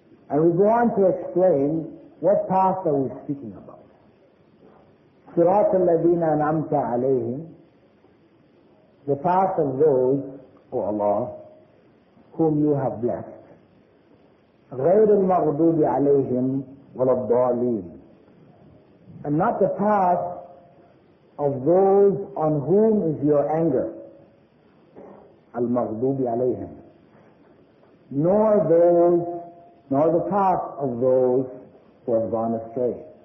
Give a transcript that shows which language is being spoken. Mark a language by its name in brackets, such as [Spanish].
[English] And we go on to explain what path are we speaking about. [Arabic] صراط الذين أنعمت عليهم. [English] The path of those, O Allah, whom you have blessed. [Arabic] غير المغضوب عليهم ولا الضالين. [English] And not the path of those on whom is your anger, al-maghdubi alayhim, nor the path of those who have gone astray,